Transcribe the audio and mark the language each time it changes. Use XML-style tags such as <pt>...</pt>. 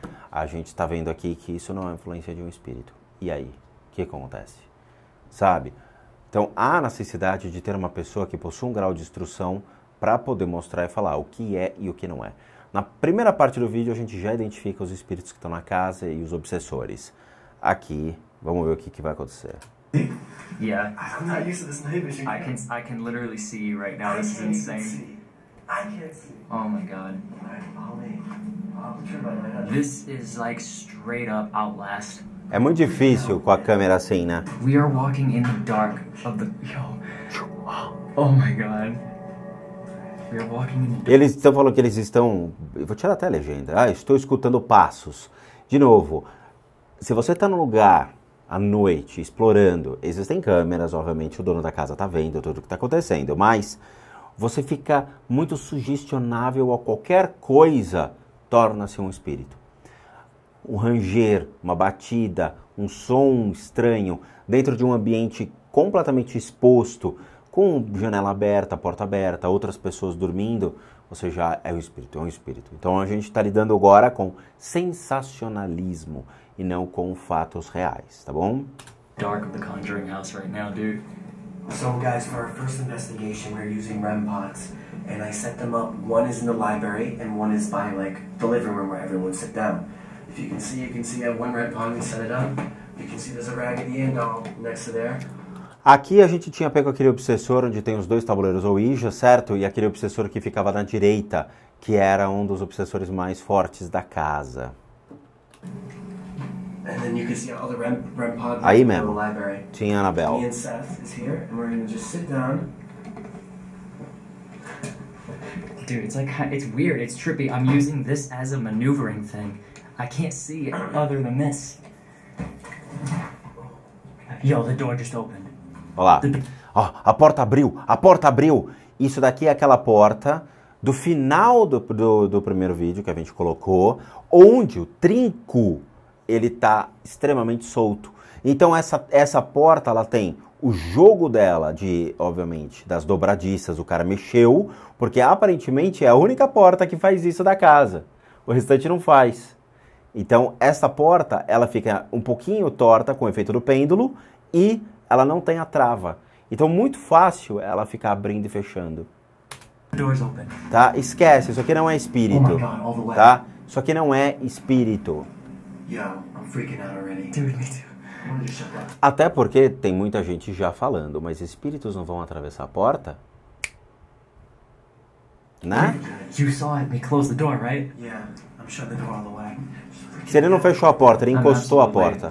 <pt>A gente está vendo aqui que isso não é influência de um espírito. E aí, o que acontece? Sabe? Então há necessidade de ter uma pessoa que possua um grau de instrução para poder mostrar e falar o que é e o que não é. Na primeira parte do vídeo a gente já identifica os espíritos que estão na casa e os obsessores. Aqui, vamos ver o que que vai acontecer.</pt> <en>Yeah. I'm not used to this night vision. I can literally see you right now. I This is can't insane. see. I can't see. Oh my god. All right, follow me. I'll turn my light on. This is like straight up Outlast.</en> <pt>É muito difícil com a câmera assim, né?</pt> <en>We are walking in the dark of the yo. Oh my god. We are walking in the dark.</en> <pt>Eles estão falando que eles estão. Eu vou tirar até a legenda. Ah, estou escutando passos. De novo. Se você está num lugar à noite, explorando. Existem câmeras, obviamente, o dono da casa tá vendo tudo o que tá acontecendo, mas você fica muito sugestionável a qualquer coisa, torna-se um espírito. O ranger, uma batida, um som estranho, dentro de um ambiente completamente exposto, com janela aberta, porta aberta, outras pessoas dormindo, você já é um espírito, é um espírito. Então a gente está lidando agora com sensacionalismo e não com fatos reais, tá bom?</pt> <en>Dark of the Conjuring House right now, dude. So guys, for our first investigation, we're using REM pods, and I set them up. One is in the library, and one is by, like, the living room where everyone sit down. If you can see, you can see I have one REM pod and set it up. You can see there's a Raggedy Ann doll next to there.</en> <pt>Aqui a gente tinha pego aquele obsessor onde tem os dois tabuleiros Ouija, certo? E aquele obsessor que ficava na direita, que era um dos obsessores mais fortes da casa.</pt> <en>And then you can see all the REM pods</en> <pt>aí mesmo,</pt> <en>in the library.</en> <pt>Tinha a Annabelle.</pt> <en>Me and Seth is here, and we're gonna just sit down. Dude, it's like, it's weird, it's trippy. I'm using this as a maneuvering thing. I can't see it other than this. Yo, the door just opened.</en> <pt>Olha lá, oh, a porta abriu, a porta abriu. Isso daqui é aquela porta do final do primeiro vídeo que a gente colocou, onde o trinco, ele tá extremamente solto. Então essa porta, ela tem o jogo dela de, obviamente, das dobradiças, o cara mexeu, porque aparentemente é a única porta que faz isso da casa, o restante não faz. Então essa porta, ela fica um pouquinho torta com o efeito do pêndulo e ela não tem a trava. Então, muito fácil ela ficar abrindo e fechando. Tá? Esquece, isso aqui não é espírito.</pt> <en>Oh my God,</en> <pt>tá? Isso aqui não é espírito.</pt> <en>Yo, I'm freaking out already. Dude, me too. I'm gonna shut that.</en> <pt>Até porque tem muita gente já falando, mas espíritos não vão atravessar a porta? Né?</pt> <en>You saw it, we closed the door, right? Yeah, I'm shutting the door all the way.</en> <pt>Se ele não fechou a porta, ele encostou a porta.</pt>